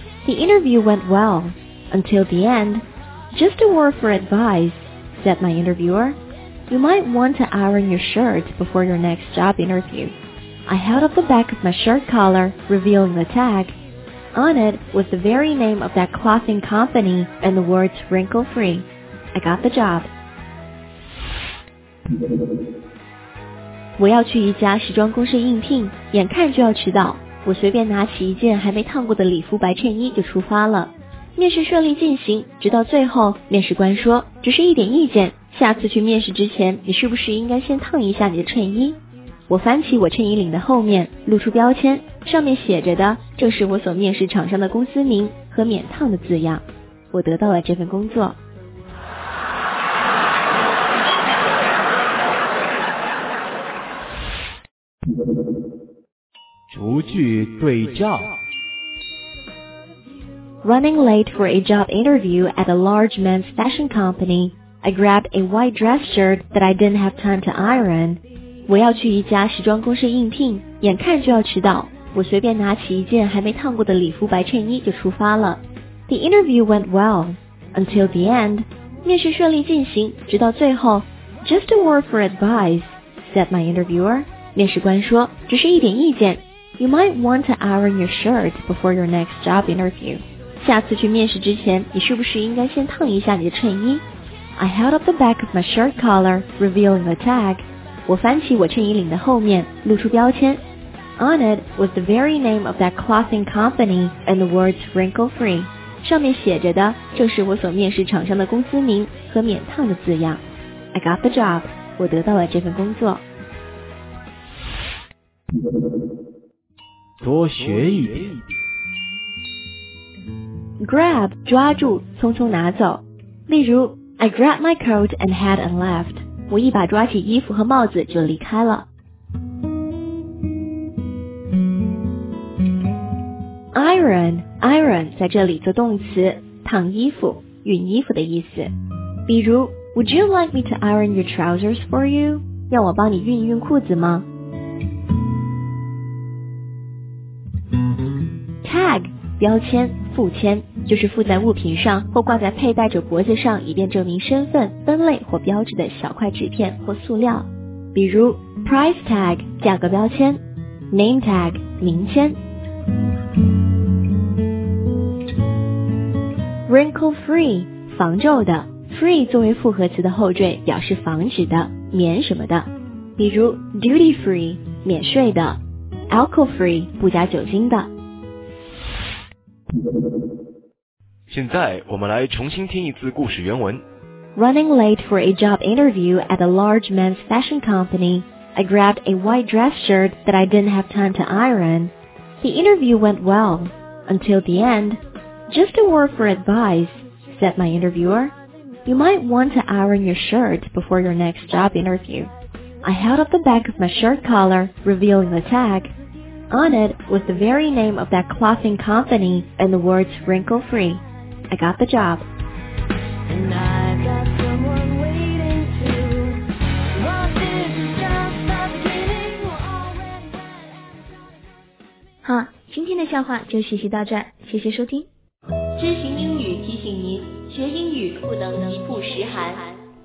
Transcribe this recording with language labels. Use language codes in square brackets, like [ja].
[en] The interview went well, until the end. Just a word for advice, said my interviewer. You might want to iron your shirt before your next job interview. I held up the back of my shirt collar, revealing the tag. On it was the very name of that clothing company and the words wrinkle-free. I got the job. [zh] 我要去一家时装公司应聘，眼看就要迟到，我随便拿起一件还没烫过的礼服白衬衣就出发了。面试顺利进行，直到最后，面试官说，只是一点意见，下次去面试之前，你是不是应该先烫一下你的衬衣？我翻起我衬衣领的后面，露出标签，上面写着的正是我所面试厂商的公司名和免烫的字样。我得到了这份工作。逐句对照。 [en] Running late for a job interview at a large men's fashion company, I grabbed a white dress shirt that I didn't have time to iron. [zh] 我要去一家时装公司应聘，眼看就要迟到，我随便拿起一件还没烫过的礼服白衬衣就出发了。 [en] The interview went well, until the end. [zh] 面试顺利进行，直到最后。 [en] Just a word for advice, said my interviewer. [zh] 面试官说，只是一点意见。 [en] You might want to iron your shirt before your next job interview. [zh] 下次去面试之前，你是不是应该先烫一下你的衬衣？ [en] I held up the back of my shirt collar, revealing the tag. [zh] 我翻起我衬衣领的后面，露出标签。 [en] On it was the very name of that clothing company and the words wrinkle-free. [zh] 上面写着的正是我所面试厂商的公司名和免烫的字样。 [en] I got the job. [zh] 我得到了这份工作。多学一点。 Grab, 抓住，匆匆拿走。 [en] 例如 I grabbed my coat and hat and left. [zh] 我一把抓起衣服和帽子就离开了。 Iron 在这里做动词，烫衣服，熨衣服的意思。 [en] 比如 Would you like me to iron your trousers for you? [zh] 要我帮你熨一熨裤子吗？ Tag 标签、附签，就是附在物品上或挂在佩戴者脖子上，以便证明身份、分类或标志的小块纸片或塑料。比如 price tag 价格标签， name tag 名签。 wrinkle free 防皱的， free 作为复合词的后缀，表示防止的、免什么的。比如 duty free 免税的， alcohol free 不加酒精的。现在我们来重新听一次故事原文。 [en] Running late for a job interview at a large men's fashion company, I grabbed a white dress shirt that I didn't have time to iron. The interview went well, until the end. Just a word for advice, said my interviewer. You might want to iron your shirt before your next job interview. I held up the back of my shirt collar, revealing the tag. On it was the very name of that clothing company and the words wrinkle-free. I got the job. And I've got someone waiting to. Well, this is just the beginning. We're already ahead. [zh] 好，今天的笑话就学习到这儿，谢谢收听。知行英语提醒您，学英语不能一步十寒。